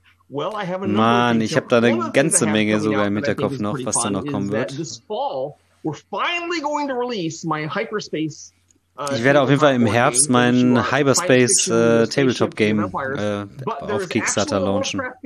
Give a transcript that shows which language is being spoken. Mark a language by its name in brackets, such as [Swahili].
[English] well, I have another [German] Mann, ich habe da eine ganze Menge sogar im Hinterkopf noch, was da noch kommen wird. [English] This fall, we're finally going to release my hyperspace. [German] Ich werde auf jeden Fall im Herbst mein Hyperspace Tabletop Game auf Kickstarter launchen.